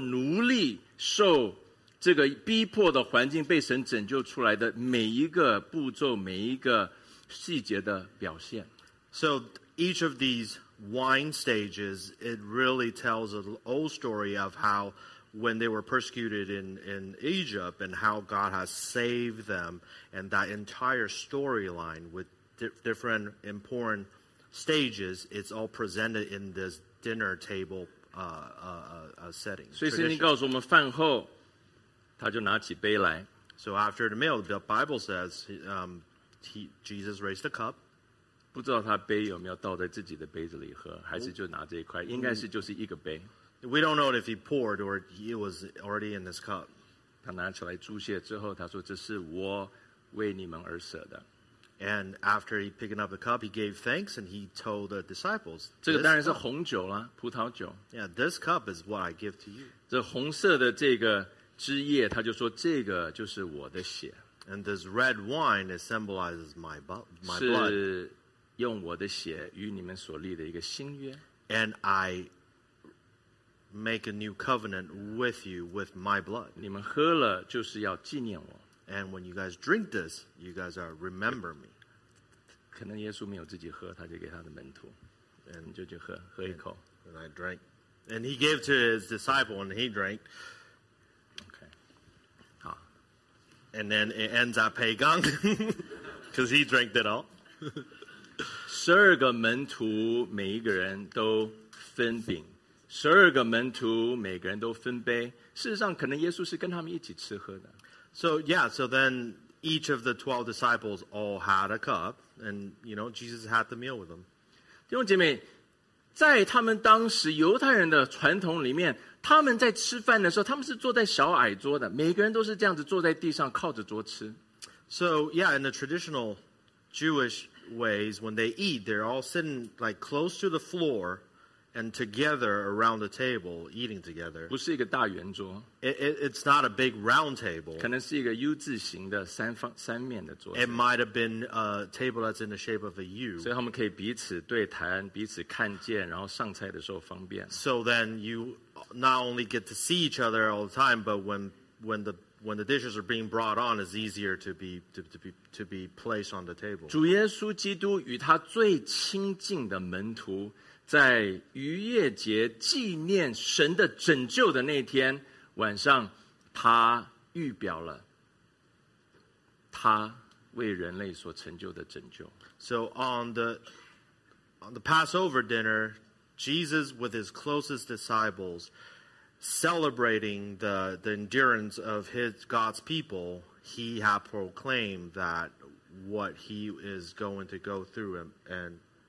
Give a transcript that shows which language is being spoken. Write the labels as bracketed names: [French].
[Chinese] 每一个动作都有它传统上面神拯救以色列人出埃及从做奴隶受 这个逼迫的环境被神拯救出来的每一个步骤,每一个细节的表现。 [English] So each of these wine stages, it really tells an old story of how when they were persecuted in Egypt and how God has saved them, and that entire storyline with different important stages, it's all presented in this dinner table setting. [Chinese] 所以圣经告诉我们饭后, 他就拿起杯来, [English] so after the meal, the Bible says Jesus raised a cup. [Chinese] 不知道他杯有没有倒在自己的杯子里喝, 还是就拿这一块, 应该是就是一个杯。 [English] We don't know if he poured or he was already in this cup. [Chinese] 他拿起来注谢之后, 他说这是我为你们而舍的。 [English] And after he picking up the cup, he gave thanks and he told the disciples, [Chinese] 这个当然是红酒啦, 葡萄酒。 [English] Yeah, this cup is what I give to you. [Chinese] 这红色的这个 汁液, 他就说, 这个就是我的血, [English] and this red wine it symbolizes my blood. [Chinese] 是用我的血与你们所立的一个新约, [English] and I make a new covenant with you with my blood. [Chinese] 你们喝了就是要纪念我, [English] and when you guys drink this, you guys are remember me. [Chinese] 可能耶稣没有自己喝, 他就给他的门徒, [English] and [Chinese] 你就去喝, 喝一口, [English] and I drank. And he gave to his disciple and he drank. And then it ends at Pegang, because he drank it all. [Chinese] 12个门徒每一个人都分饼,12个门徒每个人都分杯,事实上可能耶稣是跟他们一起吃喝的。 [English] So yeah, so then each of the 12 disciples all had a cup, and you know, Jesus had the meal with them. [Chinese] 弟兄姐妹, 在他们当时犹太人的传统里面, 他们在吃饭的时候, 他们是坐在小矮桌的, 每个人都是这样子坐在地上靠着桌吃。 [English] So, yeah, in the traditional Jewish ways, when they eat, they're all sitting like close to the floor, and together around the table, eating together. [Chinese] 不是一个大圆桌, [English] it's not a big round table. [Chinese] 可能是一个U字形的三方三面的桌子, [English] it might have been a table that's in the shape of a U. [Chinese] 所以他们可以彼此对谈, 彼此看见, 然后上菜的时候方便。 [English] So then you not only get to see each other all the time, but when the dishes are being brought on, it's easier to be placed on the table. [Chinese] 主耶稣基督与他最亲近的门徒 在逾越节纪念神的拯救的那天晚上，他预表了他为人类所成就的拯救。 [English] So on the Passover dinner, Jesus with his closest disciples, celebrating the endurance of his God's people, he had proclaimed that what he is going to go through and